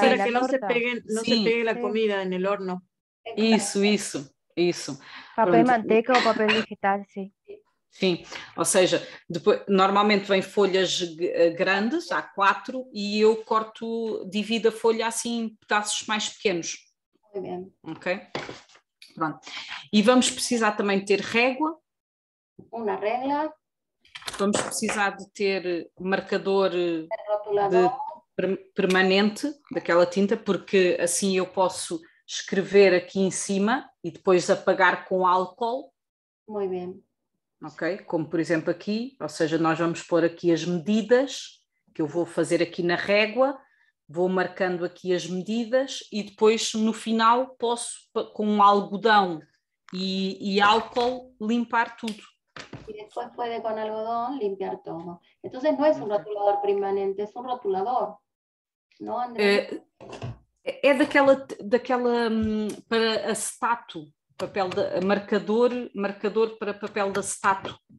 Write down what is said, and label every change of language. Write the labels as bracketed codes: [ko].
[es] para que no se pegue, no sí, se pegue la comida en el horno. Eso, eso, eso. Papel pronto. Manteca o papel vegetal, sí. [pt] Sim, ou seja, depois, normalmente vem folhas grandes, há quatro, e eu corto, divido a folha assim em pedaços mais pequenos. Muito bem. Ok? Pronto. E vamos precisar também ter régua. Uma régua. Vamos precisar de ter marcador de... permanente, daquela tinta, porque assim eu posso escrever aqui em cima e depois apagar com álcool. Muito bem. Ok, como por exemplo aqui, ou seja, nós vamos pôr aqui as medidas, que eu vou fazer aqui na régua, vou marcando aqui as medidas e depois no final posso, com algodão e álcool, limpar tudo. [es] Y después puede con algodón limpiar todo. Entonces no es un rotulador permanente, es un rotulador. ¿No, Andrea? Es daquela para acetato, papel de marcador para papel de acetato.